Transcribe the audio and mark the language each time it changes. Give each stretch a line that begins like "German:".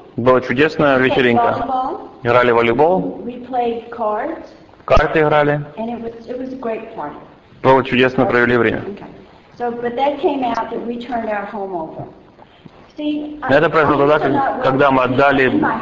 Russian: Была чудесная вечеринка. Играли в волейбол.
English: We played cards.
Russian: Карты играли.
English: And it was a great party.
Russian: Было чудесно, провели время.
English: Okay. So, but that came out that we turned our home over. See,
Russian: это произошло тогда, когда мы отдали.